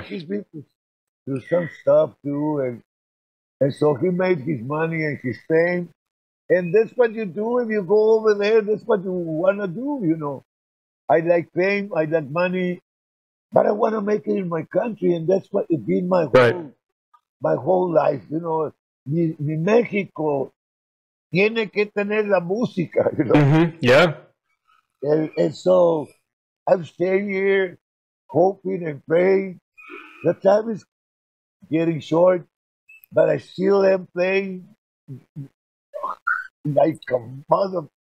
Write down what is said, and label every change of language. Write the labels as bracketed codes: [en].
[en] he's been through some stuff too, and so he made his money and his fame, and that's what you do if you go over there. That's what you wanna do, you know. I like fame, I like money, but I wanna make it in my country, and that's what it's been my whole life, you know. [es] Mi México tiene que tener la música, [en] you know. Mm-hmm. Yeah, and so I'm staying here, hoping and praying. The time is getting short, but I still am playing like a mother.